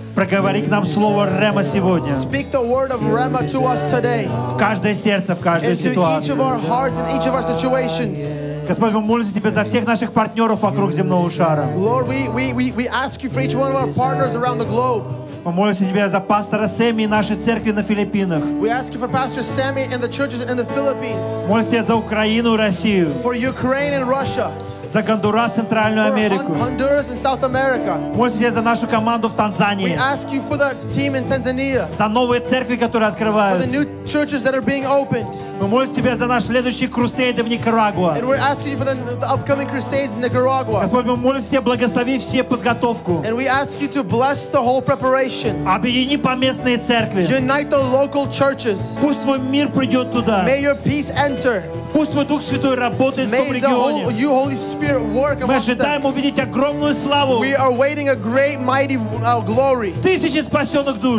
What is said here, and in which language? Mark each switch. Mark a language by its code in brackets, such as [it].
[ru] Проговори к нам слово Рема сегодня. [en] Speak the word of Rema to us today. [ru] В каждое сердце, в каждую ситуацию. [en] Into each of our hearts and each of our situations. [ru] Господь, мы молимся Тебе за всех наших партнеров вокруг земного шара. [en] Lord, we ask you for each one of our partners around the globe. [ru] Мы молимся Тебя за пастора Сэмми и нашей церкви на Филиппинах. [en] We ask you for Pastor Sammy and the churches in the Philippines. [ru] Молимся Тебя за Украину и Россию. [en] For Ukraine and Russia. [ru] За Гондурас, Центральную Америку. [en] For Honduras and South America. [ru] Молимся Тебя за нашу команду в Танзании. [en] We ask you for the team in Tanzania. [ru] За новые церкви, которые открываются. [en] For the new churches that are being opened. [ru] Мы молимся Тебя за наши следующие крусейды в Никарагуа. [en] And we're asking you for the upcoming crusades in Nicaragua. [ru] Господь, мы молимся Тебя, благослови все подготовку. [en] And we ask you to bless the whole preparation. [ru] Объедини поместные церкви. [en] Unite the local churches. [ru] Пусть Твой мир придет туда. [en] May your peace enter. [ru] Пусть Твой Дух Святой работает [en] May [ru] в том регионе. [en] May the Holy Spirit work amongst them. [ru] Мы ожидаем увидеть огромную славу. [en] We are waiting a great, mighty glory. [ru] Тысячи спасенных душ.